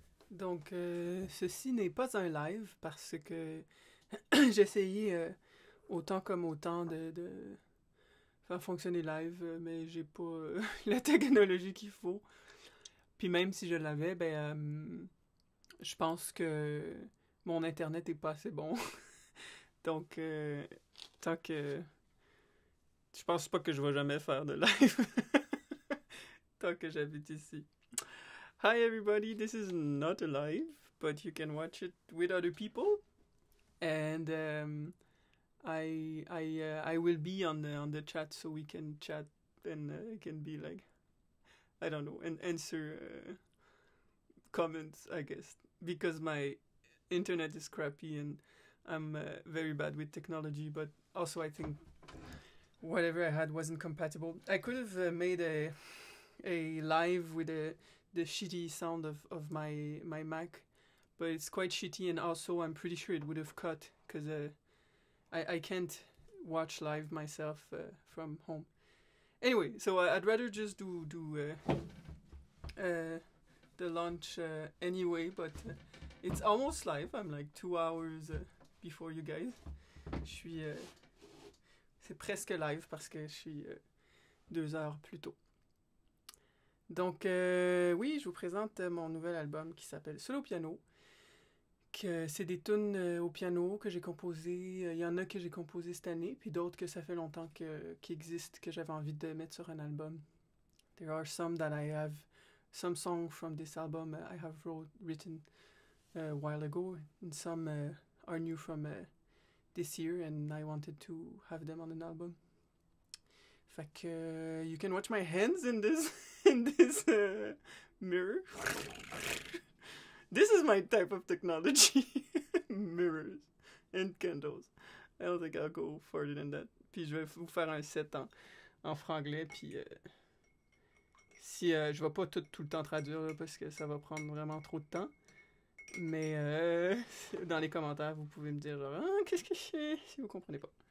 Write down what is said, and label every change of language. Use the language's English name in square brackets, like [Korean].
[French] Donc, ceci n'est pas un live parce que j'ai essayé autant comme autant de faire fonctionner live, mais j'ai pas la technologie qu'il faut. Puis même si je l'avais, je pense que mon internet est pas assez bon. Donc, tant que je pense pas que je vais jamais faire de live. Tant que j'habite ici. [English] Hi everybody, this is not a live, but you can watch it with other people. And I will be on the chat so we can chat and I can be like, I don't know, and answer comments, I guess, because my internet is crappy and I'm very bad with technology. But also, I think whatever I had wasn't compatible. I could have made a live with the shitty sound of my Mac, but it's quite shitty, and also I'm pretty sure it would have cut because I can't watch live myself from home. Anyway, so I'd rather just do the launch anyway, but it's almost live. I'm like 2 hours before you guys. [French] Je suis c'est presque live parce que je suis 2 heures plus tôt. Donc, oui, je vous présente mon nouvel album qui s'appelle Solo Piano. Que c'est des tunes au piano que j'ai composées. Il y en a que j'ai composées cette année, puis d'autres que ça fait longtemps qui existent, que j'avais envie de mettre sur un album. [English] There are some that I have, some songs from this album I have written a while ago, and some are new from this year, and I wanted to have them on an album. [French] Fait que, [English] you can watch my hands in this mirror. This is my type of technology. Mirrors and candles. I don't think I'll go further than that. [French] Puis je vais vous faire un set en franglais. Puis si je vais pas tout le temps traduire là, parce que ça va prendre vraiment trop de temps. Mais dans les commentaires, vous pouvez me dire genre, ah, qu'est-ce que je fais si vous comprenez pas.